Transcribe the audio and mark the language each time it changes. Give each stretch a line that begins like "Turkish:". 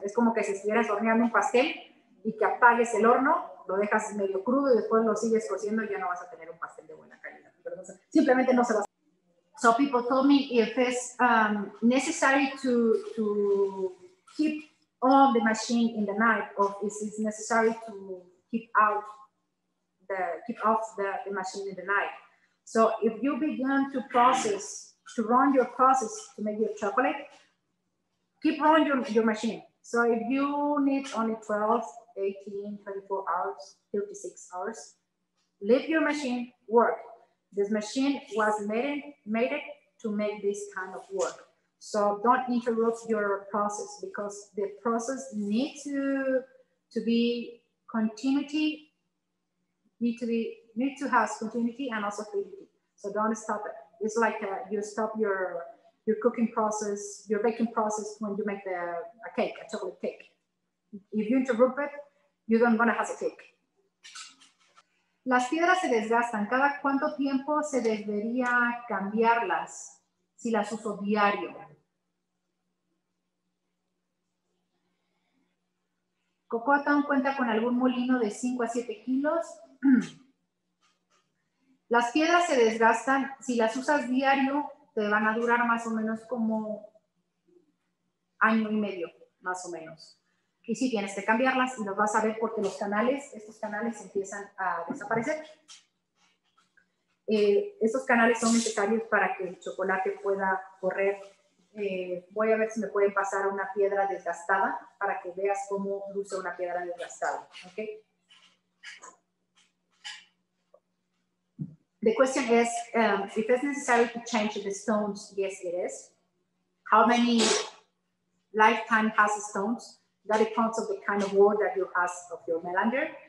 Spanish: Es como que si estuvieras horneando un pastel y que apagues el horno, lo dejas medio crudo y después lo sigues cociendo y ya no vas a tener un pastel de buena calidad. Pero simplemente no se va a...
English: So people told me if it's necessary to keep on the machine in the night, or if it's necessary to keep off the machine in the night. So if you begin to run your process to make your chocolate, keep running your machine. So if you need only 12, 18, 24 hours, 36 hours, leave your machine work. This machine was made to make this kind of work. So don't interrupt your process, because the process needs to have continuity and also fluidity. So don't stop it. It's like you stop your cooking process, your baking process when you make a chocolate cake. If you interrupt it, you're not gonna have a cake.
Spanish: Las piedras se desgastan. ¿Cada cuánto tiempo se debería cambiarlas si las uso diario? ¿Cocoatown cuenta con algún molino de 5 a 7 kilos? Las piedras se desgastan. Si las usas diario, te van a durar más o menos como año y medio, más o menos. Y sí, tienes que cambiarlas y los vas a ver, porque estos canales empiezan a desaparecer. Estos canales son necesarios para que el chocolate pueda correr. Voy a ver si me pueden pasar una piedra desgastada para que veas cómo luce una piedra desgastada. Okay.
English: The question is, if it's necessary to change the stones, yes, it is. How many lifetime has stones? That depends on the kind of wall that you have of your melanger.